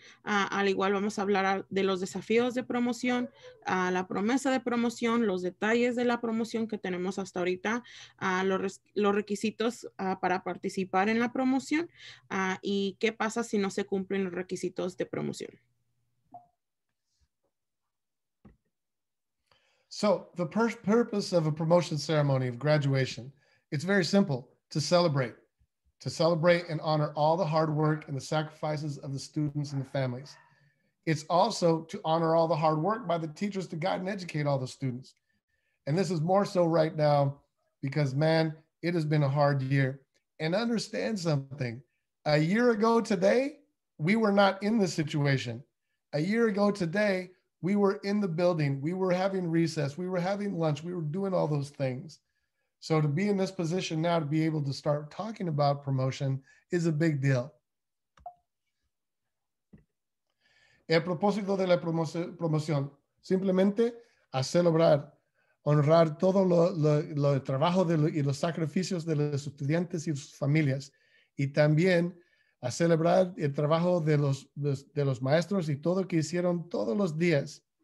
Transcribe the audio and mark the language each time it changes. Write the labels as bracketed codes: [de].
[es] Al igual vamos a hablar de los desafíos de promoción, la promesa de promoción, los detalles de la promoción que tenemos hasta ahorita, los requisitos para participar en la promoción y qué pasa si no se cumplen los requisitos de promoción. [en] So the purpose of a promotion ceremony of graduation, it's very simple: to celebrate and honor all the hard work and the sacrifices of the students and the families. It's also to honor all the hard work by the teachers to guide and educate all the students. And this is more so right now because, man, it has been a hard year. And understand something, a year ago today, we were not in this situation. A year ago today, we were in the building, we were having recess, we were having lunch, we were doing all those things. So to be in this position now, to be able to start talking about promotion, is a big deal. [es] El propósito de la promoción, simplemente a celebrar, honrar todo lo trabajo y los sacrificios de los estudiantes y sus familias, y también a celebrar el trabajo de los maestros y todo que hicieron todos los días.